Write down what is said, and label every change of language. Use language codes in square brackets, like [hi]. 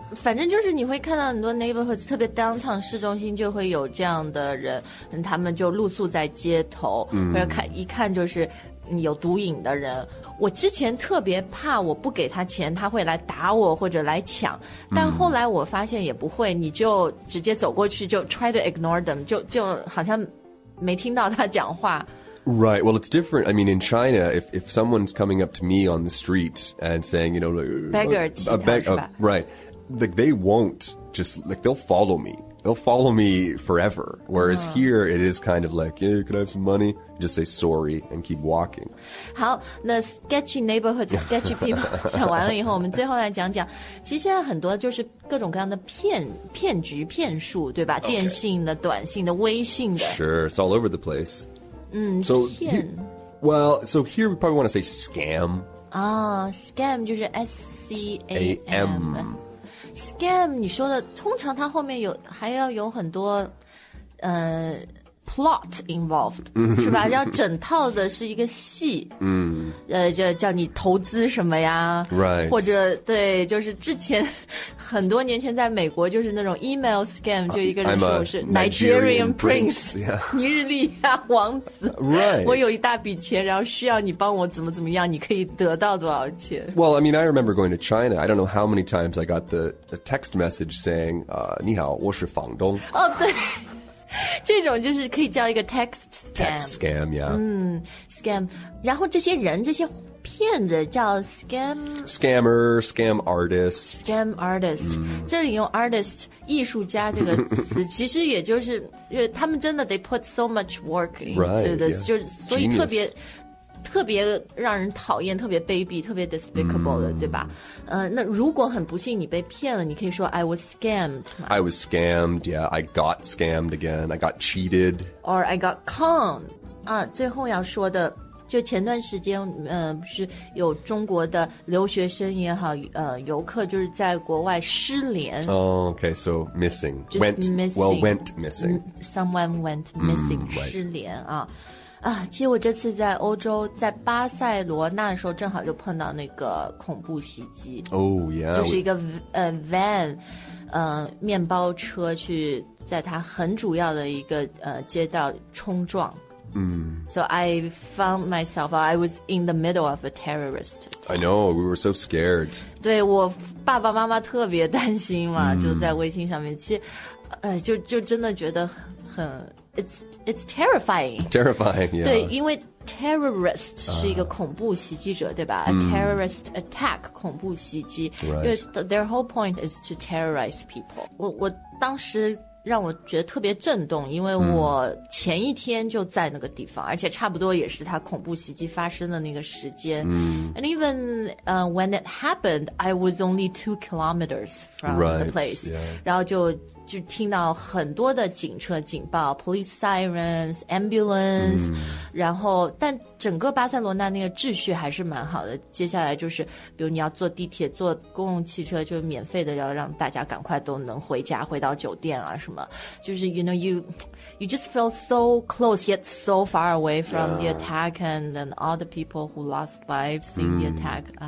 [zh] 反正就是你会看到很多 neighborhoods, 特别 downtown 市中心就会有这样的人，他们就露宿在街头、或者看一看就是有毒瘾的人。我之前特别怕我不给他钱他会来打我或者来抢，但后来我发现也不会，你就直接走过去就 [en] try to ignore them, [zh] 就好像没听到他讲话。 [en] Right, well, it's different. I mean, in China, if someone's coming up to me on the street and saying, you know, like, beggar, a beggar, right,Like, they won't just, like, they'll follow me. They'll follow me forever. Whereas here, it is kind of like, yeah, can I have some money? Just say sorry and keep walking. [zh] 好，那 sketchy neighborhoods, sketchy people, 讲完了以后，我们最后来讲讲，其实现在很多就是各种各样的骗局、骗术，对吧？电信的、短信的、微信的。 [en] Sure, it's all over the place. So, so here we probably want to say scam. [zh] Scam 就是 S-C-A-M. Scam, 你说的通常它后面有还要有很多plot involved, 是吧，要整套的是一个戏叫你投资什么呀、 [en] right. [zh] 或者对，就是之前很多年前在美国就是那种 email scam, 就一个人说我是 [en] Nigerian prince,、yeah. [zh] 尼日利亚王子、 [en] right. [zh] 我有一大笔钱然后需要你帮我怎么怎么样，你可以得到多少钱。 [en] Well, I mean, I remember going to China, I don't know how many times I got the text message saying, [zh] 你好我是房东。哦、oh, 对这种就是可以叫一个 text scam, [en] text scam, yeah, scam. [zh] 然后这些人这些骗子叫 scam, [en] scammer, scam artist, [zh] scam artist.、这里用 artist 艺术家这个词，其实也就是因为他们真的 [en] they put so much work into this, right, yeah, [zh] 就所以特别、Genius. 特别让人讨厌，特别卑鄙，特别 despicable 的，对吧？那如果很不幸你被骗了，你可以说 [en] I was scammed. I was scammed. Yeah, I got scammed again. I got cheated. Or I got conned. [zh] 最后要说的。就前段时间不是有中国的留学生也好游客就是在国外失联。 [en] Okay, so missing. Went missing. Someone went missing,、 [zh] 失联啊。其实我这次在欧洲在巴塞罗那的时候正好就碰到那个恐怖袭击。就是一个van, 面包车去在它很主要的一个街道冲撞。 [en] So I found myself, I was in the middle of a terrorist. I know, we were so scared. [zh] 对，我爸爸妈妈特别担心嘛，就在微信上面，其实，就真的觉得很 [en] it's terrifying. Terrifying, yeah. [zh] 对，因为 terrorist 是一个恐怖袭击者，对吧？ [en] A terrorist attack, 恐怖袭击。 Right. 因为 their whole point is to terrorize people. [zh] 我当时让我觉得特别震动，因为我前一天就在那个地方，而且差不多也是他恐怖袭击发生的那个时间。 [en] And even when it happened, I was only 2 kilometers from right, the place.、 Yeah. [zh] 然后就听到很多的警车警报 ， [en] police sirens, ambulance.、 [zh] 然后但整个巴塞罗那那个秩序还是蛮好的。接下来就是比如你要坐地铁坐公共汽车，就是免费的，要让大家赶快都能回家回到酒店啊什么，就是 [en] you know you just feel so close yet so far away from the attack [zh] and then all the people who lost lives in the attack、